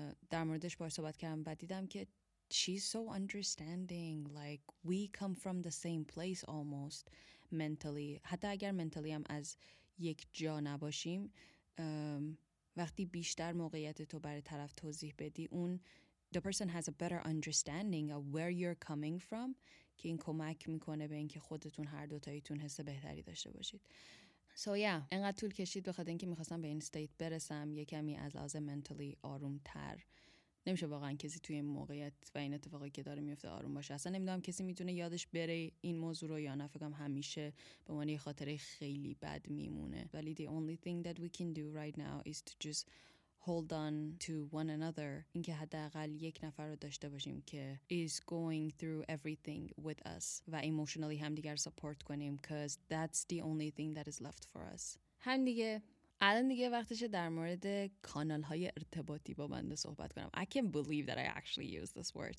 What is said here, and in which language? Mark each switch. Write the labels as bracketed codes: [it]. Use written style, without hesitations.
[fa] در موردش بار صحبت کردم و دیدم که [en] She's so understanding. Like, we come from the same place almost mentally. [fa] حتی اگر mentally هم از یک جا نباشیم، وقتی بیشتر موقعیت تو برای طرف توضیح بدی، اون [en] the person has a better understanding of where you're coming from [fa] که این کمک میکنه به اینکه خودتون هر دوتاییتون حس بهتری داشته باشید. So yeah, انقدر طول کشید بخواد اینکه میخواستم به این state برسم یکمی از لحاظ mentally آرومتر. نمیشه واقعا کسی توی این موقعیت و این اتفاقی که داره میفته آروم باشه. اصلا نمیدونم کسی میتونه یادش بره این موضوع رو یا نه. فکرم همیشه به معنی خاطره خیلی بد میمونه. [en] ولی the only thing that we can do right now is to just hold on to one another. [fa] این که حداقل یک نفر رو داشته باشیم که [en] is going through everything with us. [fa] و emotionally هم دیگر support کنیم. [en] Because that's the only thing that is left for us. [fa] هم دیگه. الان دیگه وقتشه در مورد کانال‌های ارتباطی با بنده صحبت کنم. [en] I can't believe that I actually use this word.